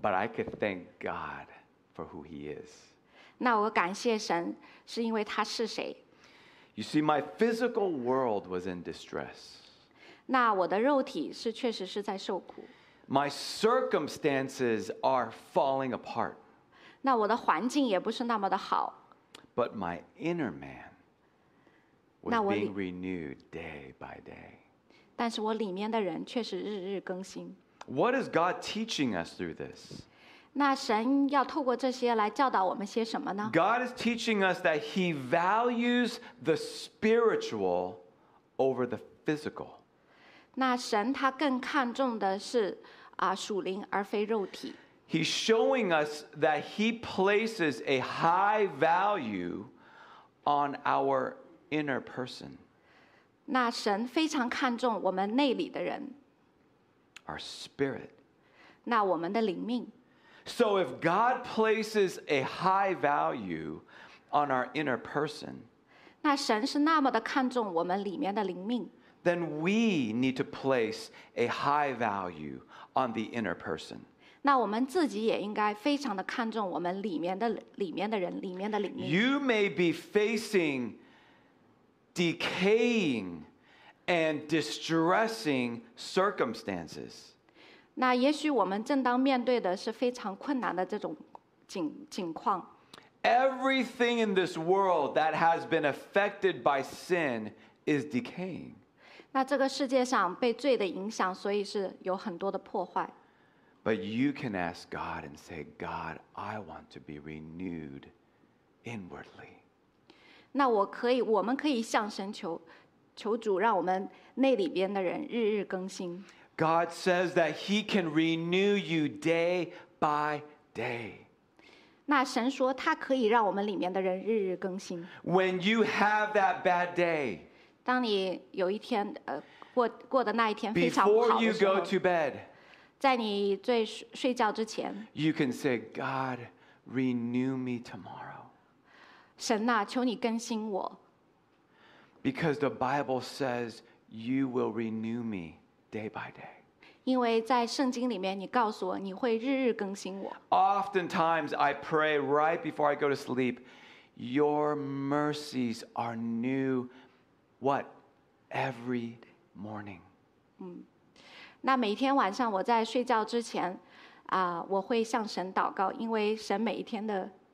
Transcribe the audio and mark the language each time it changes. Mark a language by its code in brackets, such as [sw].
[en] But I could thank God for who He is. [zh] 那我感谢神，是因为他是谁。 [en] You see, my physical world was in distress. [zh] 那我的肉体是确实是在受苦。 [en] My circumstances are falling apart. [zh] 那我的环境也不是那么的好。 [en] But my inner man was being renewed day by day. [zh] 但是我里面的人确实日日更新。 [en] What is God teaching us through this? [zh] 那神要透过这些来教导我们些什么呢？ [en] God is teaching us that He values the spiritual over the physical. [zh] 那神他更看重的是属灵而非肉体。 [en] He's showing us that He places a high value on our inner person. [zh] 那神非常看重我们内里的人。 [en] Our spirit. [zh] 那我们的灵命。 [en] So if God places a high value on our inner person, [zh] 那神是那么的看重我们里面的灵命。 [en] Then we need to place a high value on the inner person. [zh] 那我们自己也应该非常的看重我们里面的人，里面的灵命。 [en] You may be facing decaying and distressing circumstances. [zh] 那也许我们正当面对的是非常困难的这种情况。 [en] Everything in this world that has been affected by sin is decaying. [zh] 那这个世界上被罪的影响，所以是有很多的破坏。 [en] But you can ask God and say, God, I want to be renewed inwardly. [zh] 那我们可以向神求主，让我们内里边的人日日更新。 [en] God says that He can renew you day by day. [zh] 那神说他可以让我们里面的人日日更新。 [en] When you have that bad day, [zh] 当你有一天过的那一天非常不好的时候， [en] before you go to bed, [zh] 在你睡觉之前， [en] you can say, God, renew me tomorrow. [zh] 神哪，求你更新我。 [en] Because the Bible says you will renew me. Day by day. [zh] 因为在圣经里面，你告诉我你会日日更新我。 [en] Oftentimes I pray right before I go to sleep, Your mercies are new, what? Every morning. [zh] 那每天晚上我在睡觉之前，我会向神祷告，因为神每一天的，